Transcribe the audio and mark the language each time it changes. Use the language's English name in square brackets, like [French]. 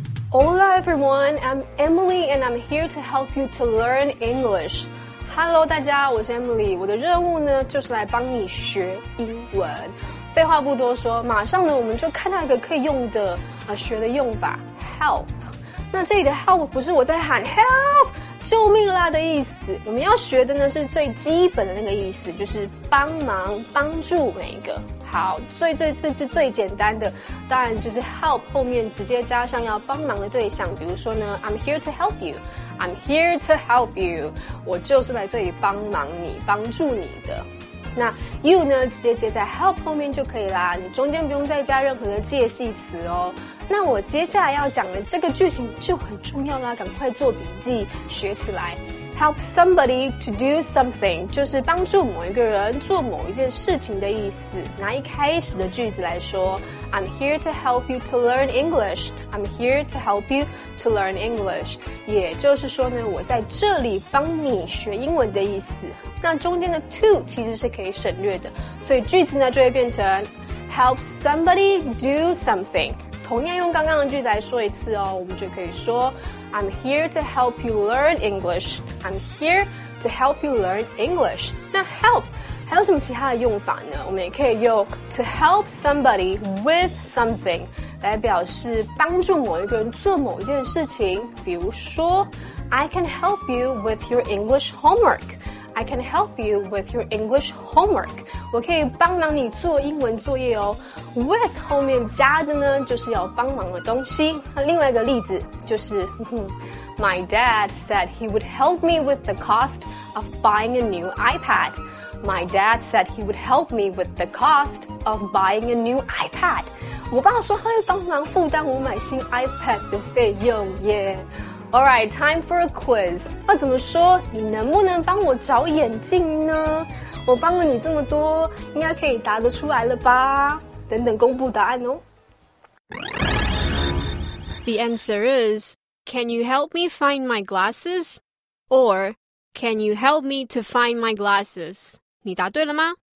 [English] Hola everyone, I'm Emily and I'm here to help you to learn English. [Chinese] Hello, 大家我是 Emily, 我的任务呢就是来帮你学英文。废话不多说，马上呢我们就看到一个可以用的学的用法 ,help。那这里的 help 不是我在喊 help, 救命啦的意思。我们要学的呢是最基本的那个意思，就是帮忙帮助那个。好，最最最最最简单的当然就是 help 后面直接加上要帮忙的对象，比如说呢 , [English] I'm here to help you。 I'm here to help you. [Chinese] 我就是来这里帮忙你，帮助你的。那 you 呢，直接接在 help 后面就可以啦，你中间不用再加任何的介系词哦。那我接下来要讲的这个句型就很重要啦，赶快做笔记学起来。 [English] Help somebody to do something [Chinese] 就是帮助某一个人做某一件事情的意思。拿一开始的句子来说 [English] ，I'm here to help you to learn English. I'm here to help you to learn English. [Chinese] 也就是说呢，我在这里帮你学英文的意思。那中间的 to 其实是可以省略的，所以句子呢就会变成 [English] Help somebody do something. [Chinese] 同样用刚刚的句子来说一次哦，我们就可以说 [English] I'm here to help you learn English. I'm here to help you learn English. [Chinese] 那 help 还有什么其他的用法呢？我们也可以用 [English] to help somebody with something [Chinese] 来表示帮助某一个人做某一件事情。比如说 [English] I can help you with your English homework. I can help you with your English homework. [Chinese] 我可以帮忙你做英文作业哦。 With 后面加的呢就是要帮忙的东西。另外一个例子就是 [English] My dad said he would help me with the cost of buying a new iPad. My dad said he would help me with the cost of buying a new iPad. [Chinese] 我爸说他会帮忙负担我买新 iPad 的费用耶。 [English] Alright, time for a quiz. [Chinese] 那怎么说你能不能帮我找眼镜呢？我帮了你这么多应该可以答得出来了吧。等等公布答案哦。 [English] The answer is, can you help me find my glasses? Or, can you help me to find my glasses? [Chinese] 你答对了吗？